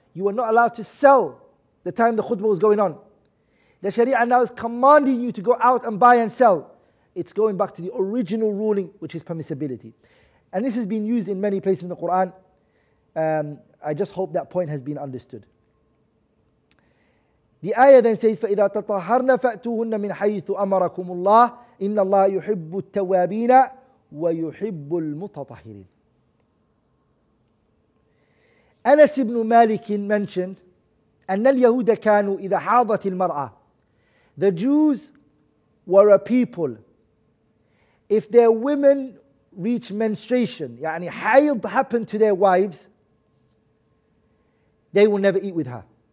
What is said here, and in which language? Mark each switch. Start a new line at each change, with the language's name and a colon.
English: You were not allowed to sell the time the khutbah was going on. The Sharia now is commanding you to go out and buy and sell. It's going back to the original ruling, which is permissibility. And this has been used in many places in the Quran. I just hope that point has been understood. The ayah then says,
Arabic: فَإِذَا تَطَهَرْنَ فَأْتُوهُنَّ مِنْ حَيْثُ أَمَرَكُمُ اللَّهُ إِنَّ اللَّهَ يُحِبُّ التَّوَّابِينَ وَيُحِبُّ الْمُتَطَهِرِينَ.
English: Anas ibn Malik mentioned,
Arabic: أَنَّ الْيَهُودَ كَانُوا إِذَا حَاضَتِ الْمَرْأَةِ.
English: The Jews were a people. If their women reach menstruation,
Arabic: يعني حيض
English: happened to their wives, they will never eat with her.